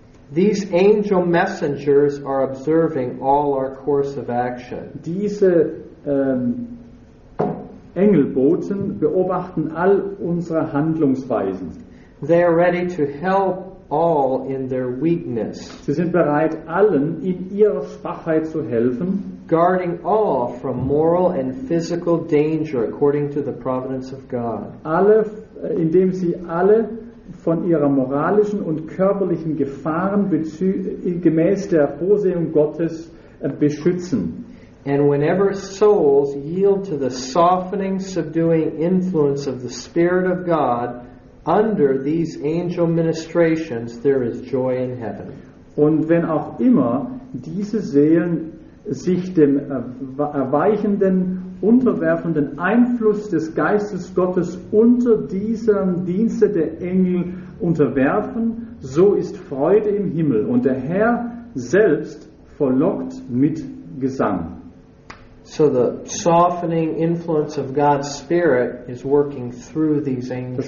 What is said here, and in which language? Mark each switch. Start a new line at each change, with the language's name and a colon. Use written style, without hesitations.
English: These angel messengers are observing all our course of action.
German: Diese Engelboten beobachten all unsere Handlungsweisen.
English: They are ready to help all in their weakness.
German: Sie sind bereit, allen in ihrer Schwachheit zu helfen.
English: Guarding all from moral and physical danger according to the providence of God.
German: Alle, indem sie alle von ihrer moralischen und körperlichen Gefahren gemäß der Vorsehung Gottes beschützen.
English: And whenever souls yield to the softening, subduing influence of the Spirit of God under these angel ministrations, there is joy in heaven.
German: Und wenn auch immer diese Seelen sich dem erweichenden, unterwerfenden Einfluss des Geistes Gottes unter diesem Dienste der Engel unterwerfen, so ist Freude im Himmel und der Herr selbst verlockt mit Gesang.
English: So the softening influence of God's Spirit is working through these angels.